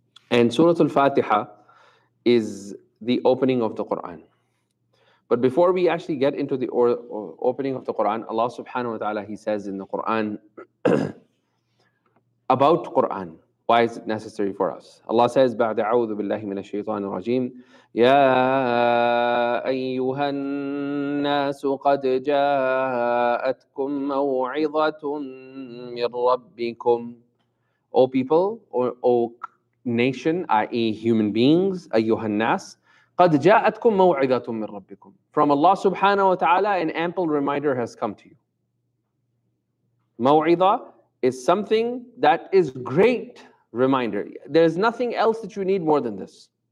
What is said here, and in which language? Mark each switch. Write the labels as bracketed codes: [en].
[en] And Surah Al-Fatiha is the opening of the Quran. But before we actually get into the opening of the Quran, Allah subhanahu wa ta'ala, he says in the Quran, about Quran, why is it necessary for us? Allah says, [ar] بعد أعوذ بالله من الشيطان الرجيم يا أيها الناس قد جاءتكم موعظة من ربكم. [en] O people, O nation, i.e. human beings, [ar] أيها الناس, قَدْ جَاءَتْكُمْ مَوْعِدَةٌ مِّنْ رَبِّكُمْ. [en] From Allah subhanahu wa ta'ala, an ample reminder has come to you. مَوْعِدَة is something that is great reminder. There is nothing else that you need more than this.